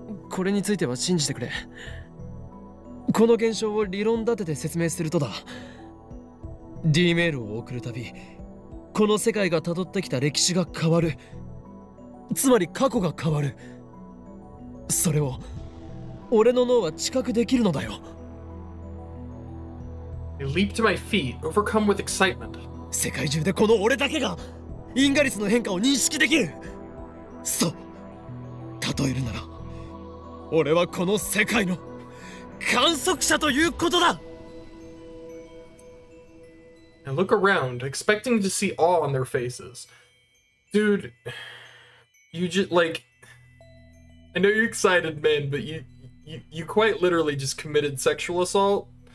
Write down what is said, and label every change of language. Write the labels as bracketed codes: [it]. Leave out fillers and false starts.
[ja] これについては信じてくれ。この現象を理論立てて説明するとだ。 D メールを送るたび、この世界が辿ってきた歴史が変わる。つまり過去が変わる。それを。俺の脳は知覚できるのだよ。 [en] I leap to my feet, overcome with excitement. [ja] 世界中でこの俺だけがインガリスの変化を認識できる。そう、例えるなら俺はこの世界の観測者ということだ。 [en] I look around, expecting to see awe on their faces. Dude, you just like... I know you're excited, man, but You quite literally just committed sexual assault.